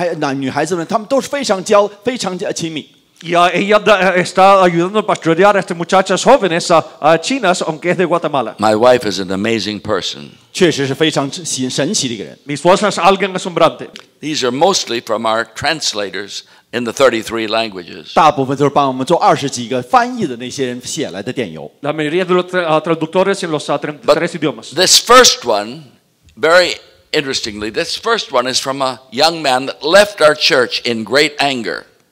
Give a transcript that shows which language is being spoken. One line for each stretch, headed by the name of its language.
Chinese: 他从圭地马拉来，但是跟那些华人男孩、女孩子们，他们都是非常亲密。
Spanish: Yeah, ella está ayudando a pastorear a estas muchachas jóvenes chinas, aunque es de Guatemala.
English: My wife is an amazing person.
Chinese: 确实是非常神奇的一个人。
Spanish: Mi esposa es alguien asombrante.
English: These are mostly from our translators in the 33 languages.
Chinese: 大部分都是帮我们做20几个翻译的那些人写来的电邮。
Spanish: La mayoría de los traductores en los 33 idiomas.
English: But this first one, very interestingly, this first one is from a young man that left our church in great anger.